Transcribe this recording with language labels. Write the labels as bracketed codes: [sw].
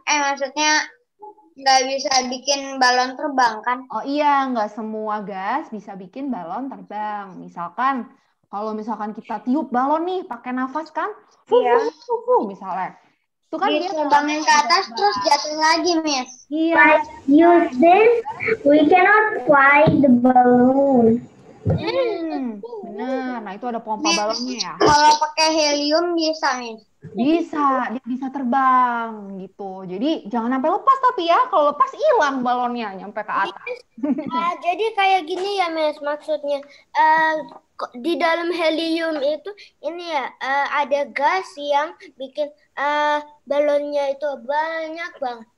[id] Maksudnya nggak bisa bikin balon terbang kan? Oh iya, nggak semua gas bisa bikin balon terbang. Misalkan, kalau misalkan kita tiup balon nih, pakai nafas kan? Fuh, misalnya. Itu kan dia terbangin ke atas terus jatuh lagi, Miss. Iya. [en] By use this, we cannot fly the balloon. [id] Benar. Nah, itu ada pompa balonnya ya. Kalau pakai helium bisa, Miss. Bisa, dia bisa terbang gitu. Jadi jangan sampai lepas tapi ya, kalau lepas hilang balonnya nyampe ke atas. Jadi kayak gini ya, Miss, maksudnya di dalam helium itu ini ya ada gas yang bikin balonnya itu banyak banget.